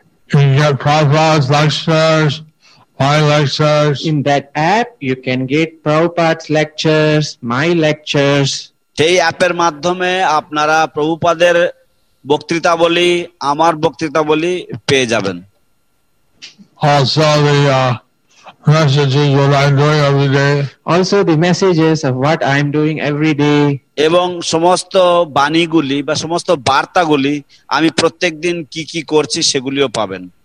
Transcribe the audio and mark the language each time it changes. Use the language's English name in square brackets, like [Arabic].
[English] You can get Prabhupada's lectures, my lectures. In that app, you can get Prabhupada's lectures, my lectures. [Bangla] সেই অ্যাপের মাধ্যমে আপনারা প্রভুপাদের বক্তৃতাবলি, আমার বক্তৃতাবলি পেয়ে যাবেন. [English] Also, the messages what I'm doing every day. Also, the messages of what I'm doing every day. [Bangla] এবং সমস্ত বাণীগুলি বা সমস্ত বার্তাগুলি আমি প্রত্যেক দিন কি কি করছি সেগুলিও পাবেন.